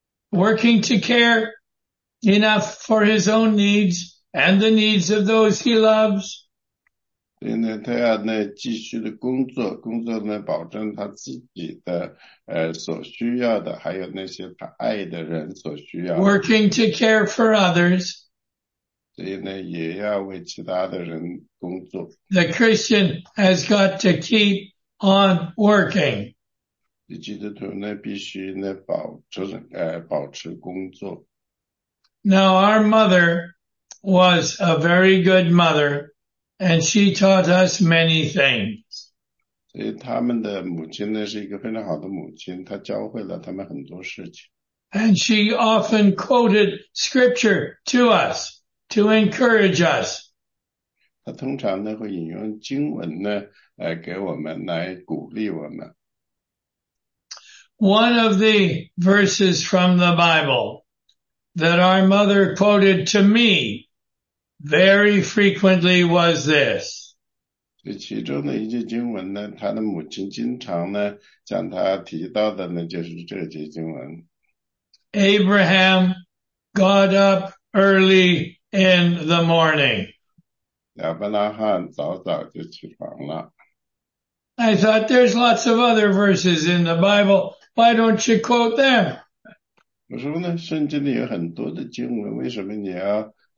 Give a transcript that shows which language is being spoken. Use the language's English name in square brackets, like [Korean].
[English] Working to care enough for his own needs and the needs of those he loves. [Chinese] 所以呢，他要呢继续的工作，工作呢保证他自己的所需要的，还有那些他爱的人所需要的。 [English] Working to care for others. [Chinese] 所以呢，也要为其他的人工作。 [English] The Christian has got to keep on working. [Chinese] 基督徒呢必须呢保持工作。 [English] Now our mother was a very good mother. And she taught us many things. [Chinese] 所以他们的母亲呢是一个非常好的母亲，她教会了他们很多事情。 [English] And she often quoted scripture to us to encourage us. [Chinese] 她通常呢会引用经文呢来给我们来鼓励我们。 [English] One of the verses from the Bible that our mother quoted to me. Very frequently was this. [Chinese] 这其中的一句经文呢，他的母亲经常呢将他提到的呢，就是这句经文。 [English] Abraham got up early in the morning. [Chinese] 亚伯拉罕早早就起床了。 [English] I thought there's lots of other verses in the Bible. Why don't you quote them? [Chinese] 我说呢，圣经里有很多的经文，为什么你要？